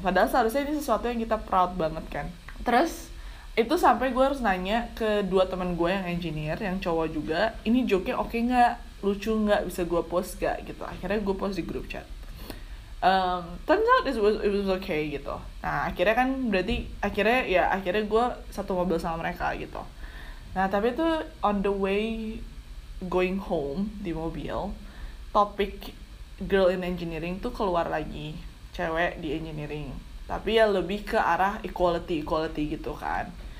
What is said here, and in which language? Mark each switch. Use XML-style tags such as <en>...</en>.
<id>Padahal seharusnya ini sesuatu yang kita proud banget kan. Terus itu sampai gue harus nanya ke 2 teman gue yang engineer, yang cowok juga, ini joke-nya oke gak? Lucu gak? Bisa gue post gak? Gitu. Akhirnya gue post di grup chat.</id> <en>Turns out it was okay gitu.</en> <id>Nah akhirnya kan berarti, akhirnya gue satu mobil sama mereka gitu. Nah, tapi itu</id> <en>on the way going home</en> <id>di mobil, topik</id> <en>girl in engineering</en> <id>tuh keluar lagi, cewek di engineering. Tapi ya lebih ke arah equality gitu kan.</id>